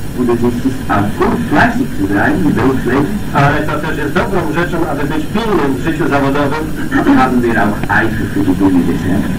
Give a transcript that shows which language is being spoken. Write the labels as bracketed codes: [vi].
[de] Und es ist gut, fleißig zu sein im Berufsleben. [pl] Ale to też jest dobrą rzeczą, aby być pilnym w życiu zawodowym. [de] Haben wir auch Eifer für die Dinge des Herrn.